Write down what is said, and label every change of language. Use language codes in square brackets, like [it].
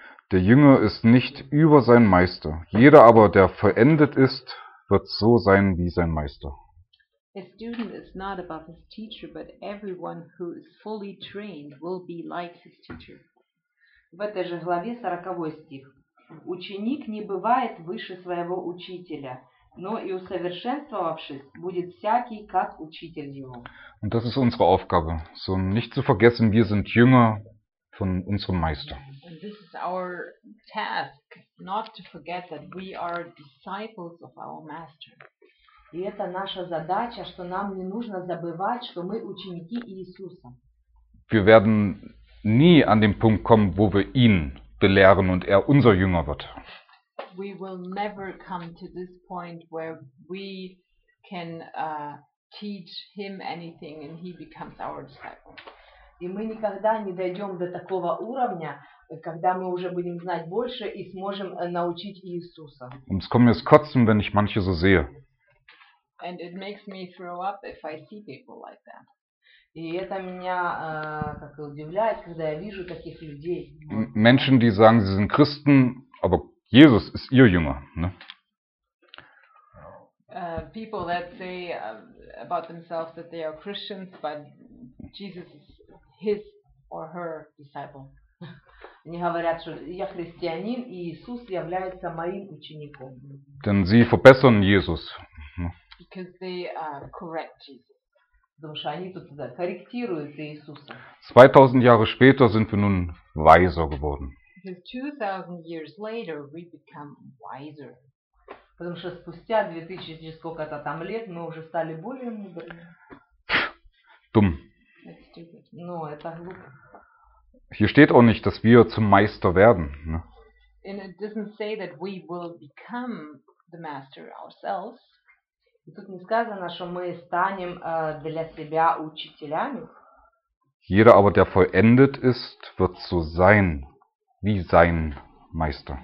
[de] Der Jünger ist nicht über seinen Meister. Jeder aber, der vollendet ist, wird so sein wie sein Meister. [en] A student is not above his teacher, but everyone who is fully trained will be like his teacher. [ru] В этой же главе 40 стих. Ученик не бывает выше своего учителя, но и усовершенствовавшись, будет всякий, как учитель его. [de] Und das ist unsere Aufgabe, so nicht zu vergessen, wir sind Jünger von unserem Meister. [en] And this is our task, not to forget that we are disciples of our master. [ru] И это наша задача, что нам не нужно забывать, что мы ученики Иисуса. [de] Wir werden nie an den Punkt kommen, wo wir ihn belehren und er unser Jünger wird. [en] We will never come to this point where we can teach him anything and he becomes our disciple. [ru] И мы никогда не дойдем до такого уровня, когда мы уже будем знать больше и сможем научить Иисуса. [de] Und es kommt mir das Kotzen, wenn ich manche so sehe. [en] And it makes me throw up if I see people like that. [ru] И это меня как удивляет, когда я вижу таких людей. [de] Menschen, die sagen, sie sind Christen, aber Jesus ist ihr Jünger, ne? [en] People that say about themselves that they are Christians, but Jesus is his or her disciple. [ru] Они говорят, что я христианин, и Иисус является моим учеником. [de] Denn sie verbessern Jesus. [en] Because they correct Jesus. [ru] Потому что они тут да, корректируют Иисуса. [de] 2000 Jahre später sind wir nun weiser geworden. [en] Because 2000 years later we become wiser. [ru] Потому что спустя 2000 сколько-то там лет мы уже стали более мудрыми. [de] Dumm. [en] That's stupid. [ru] Ну, это глупо. [de] Hier steht auch nicht, dass wir zum Meister werden. Ne? [en] And it doesn't say that we will become the master ourselves. [ru] И тут не сказано, что мы станем для себя учителями. [de] Jeder aber, der vollendet ist, wird so sein, wie sein Meister.